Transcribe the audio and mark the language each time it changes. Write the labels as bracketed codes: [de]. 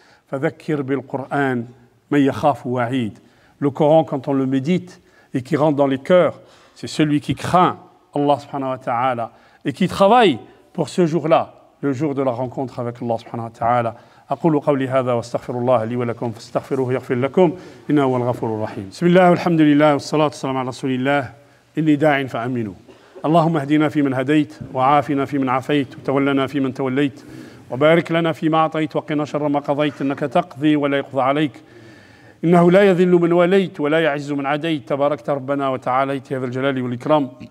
[ar] فذكر بالقرآن من يخاف وعيد. [fr] Le Coran, quand on le médite et qui rentre dans les cœurs, c'est celui qui craint Allah subhanahu wa ta'ala et qui travaille pour ce jour-là, le jour de la rencontre avec Allah subhanahu wa ta'ala. [ar] أقول قولي هذا واستغفر الله لي ولكم فاستغفروه يغفر لكم إنه هو الغفور الرحيم. بسم الله والحمد لله والصلاة والسلام على رسول الله إني داع فأمنوا. اللهم اهدنا في من هديت وعافنا في من عافيت وتولنا في من توليت وبارك لنا فيما أعطيت وقنا شر ما قضيت إنك تقضي ولا يقضى عليك إنه لا يذل من وليت ولا يعز من عديت تباركت ربنا وتعاليت يا ذا الجلال والإكرام.